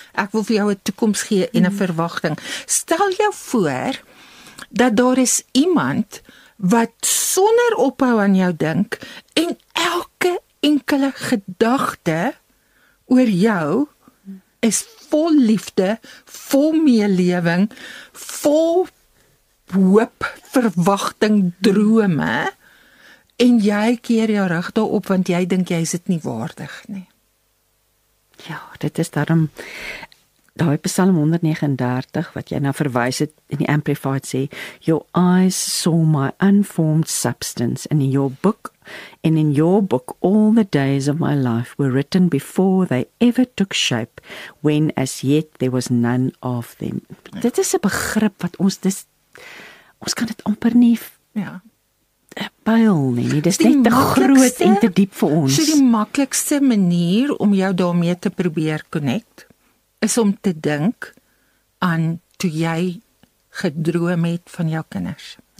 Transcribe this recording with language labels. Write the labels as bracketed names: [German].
[Afrikaans] Ek wil vir jou 'n toekoms gee en 'n verwagting. Stel jou voor dat daar is iemand wat sonder ophou aan jou dink en elke enkele gedagte oor jou is vol liefde, vol meelewing, vol hoop, verwagting, drome, en jy keer jou rug daarop, want jy dink jy is dit nie waardig nie. Ja, dit is daarom, daai Psalm 139, wat jy nou verwys het, in die Amplified sê, [English] your eyes saw my unformed substance, and in your book, and in your book, all the days of my life were written before they ever took shape, when as yet there was none of them. [Afrikaans] Dit is 'n begrip wat ons, dis, ons kan dit amper nie pijl nie, dit is die net te groot en te diep vir ons. So die makkelijkste manier om jou daarmee te probeer connect, is om te dink aan toe jy gedroom het van jou kinders.